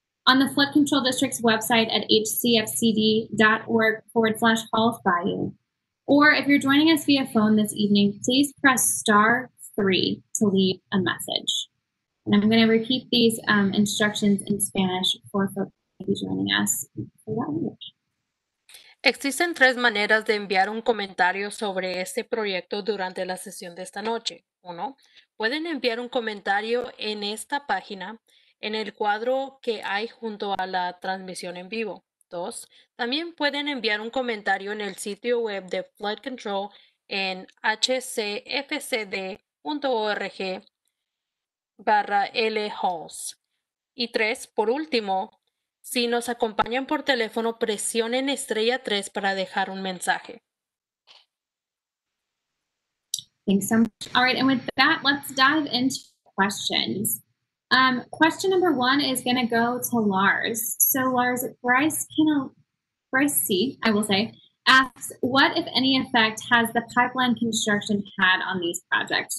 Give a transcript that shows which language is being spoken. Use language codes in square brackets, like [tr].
[en] on the Flood Control District's website at hcfcd.org/Halls Bayou. Or if you're joining us via phone this evening, please press *3 to leave a message. And I'm going to repeat these instructions in Spanish for folks who are joining us in that language. [es] Existen tres maneras de enviar un comentario sobre este proyecto durante la sesión de esta noche. Uno, pueden enviar un comentario en esta página, en el cuadro que hay junto a la transmisión en vivo. Dos, también pueden enviar un comentario en el sitio web de Flood Control en hcfcd.org/LHalls. Y tres, por último, si nos acompañan por teléfono, presionen *3 para dejar un mensaje. [en] Thanks so much. All right, and with that, let's dive into questions. Question number one is going to go to Lars. So Lars, Bryce C, asks, what, if any, effect has the pipeline construction had on these projects?